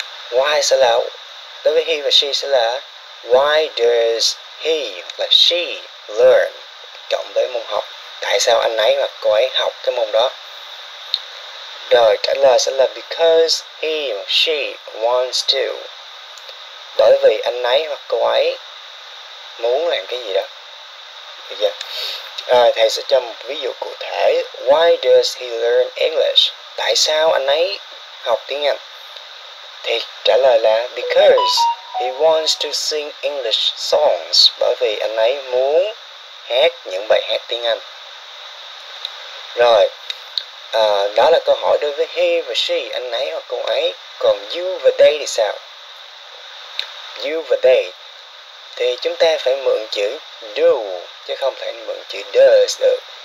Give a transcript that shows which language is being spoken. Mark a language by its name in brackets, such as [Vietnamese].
[Vietnamese] Why sẽ là, đối với he và she sẽ là [English] why does he [Vietnamese] và [English] she learn, [Vietnamese] cộng với môn học, tại sao anh ấy hoặc cô ấy học cái môn đó. Rồi trả lời sẽ là [English] because he or she wants to, [Vietnamese] bởi vì anh ấy hoặc cô ấy muốn làm cái gì đó. Được chưa? Thầy sẽ cho một ví dụ cụ thể. [English] Why does he learn English? [Vietnamese] Tại sao anh ấy học tiếng Anh? Thì trả lời là [English] because he He wants to sing English songs. [Vietnamese] Bởi vì anh ấy muốn hát những bài hát tiếng Anh. Rồi, đó là câu hỏi đối với he và she, anh ấy hoặc cô ấy. Còn you và they thì sao? You và they thì chúng ta phải mượn chữ do chứ không thể mượn chữ does được.